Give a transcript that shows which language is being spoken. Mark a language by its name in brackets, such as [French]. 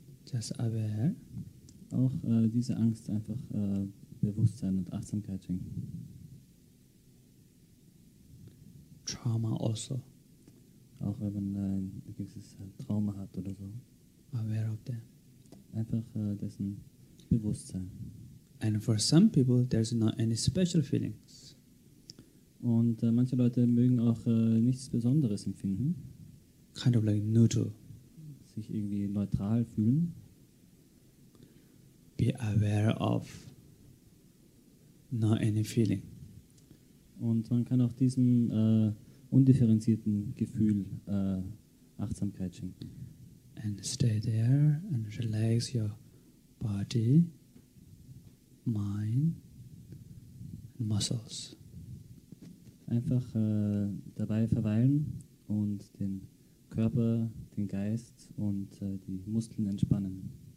[English] Just aware. [German] Auch diese Angst einfach Bewusstsein und Achtsamkeit schenken. [English] Trauma also. [German] Auch wenn man ein gewisses Trauma hat oder so. [English] Aware of that. [German] Einfach dessen Bewusstsein. [English] And for some people there's not any special feeling. [German] Und manche Leute mögen auch nichts Besonderes empfinden. [English] Kind of like neutral. [German] Sich irgendwie neutral fühlen. [English] Be aware of not any feeling. [German] Und man kann auch diesem undifferenzierten Gefühl Achtsamkeit schenken. [English] And stay there and relax your body, mind and muscles. [German] Einfach dabei verweilen und den Körper, den Geist und die Muskeln entspannen.